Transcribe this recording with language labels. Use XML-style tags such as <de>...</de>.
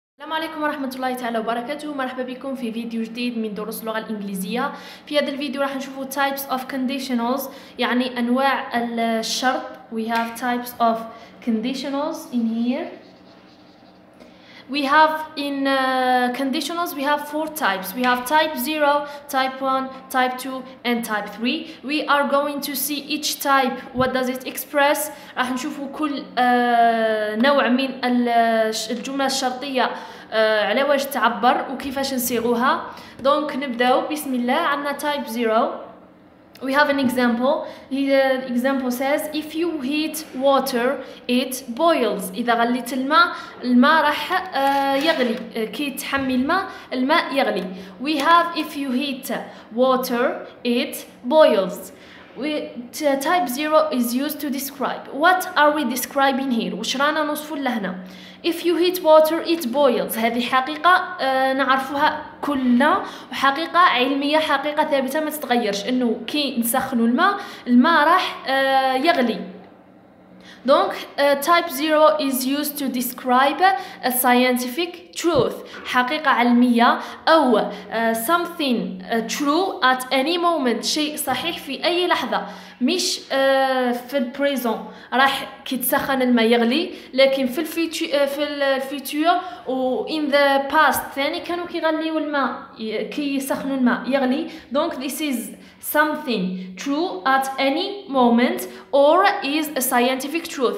<ar>السلام عليكم ورحمة الله تعالى وبركاته. مرحبا بكم في فيديو جديد من دروس اللغة الإنجليزية. في هذا الفيديو راح نشوفوا</ar> <en>types of conditionals،</en> <ar>يعني أنواع الشرط.</ar> <en>We have types of conditionals in here. We have in conditionals we have four types. We have type 0, type 1, type 2 and type 3. We are going to see each type what does it express.</en> <ar>راح نشوفوا كل نوع من الجملة الشرطية على واش تعبر وكيفاش نصيغوها. دونك نبداو بسم الله. عندنا type 0.</ar> <en>We have an example. The example says if you heat water it boils.</en> <ar>اذا غليت الماء الماء راح يغلي. كي تحمي الماء الماء يغلي.</ar> <en>We have if you heat water it boils. Type 0 is used to describe. What are we describing here?</en> <ar>واش رانا نوصفوا لهنا؟</ar> <en>If you heat water it boils.</en> <ar>هذه حقيقة نعرفها كلنا وحقيقة علمية، حقيقة ثابتة ما تتغيرش، انه كي نسخنوا الماء الماء راح يغلي.</ar> <en>Donc type 0 is used to describe a scientific truth.</en> <ar>حقيقة علمية</ar> <en>أو something true at any moment.</en> <ar>شيء صحيح في أي لحظة. مش في البريزون راح كيتسخن الماء يغلي، لكن في الفيتور و</ar> <en>in the past</en> <ar>ثاني كانوا كيغليوا الماء كيسخنوا الماء يغلي.</ar> <en>Donc this is something true at any moment or is a scientific truth.</en>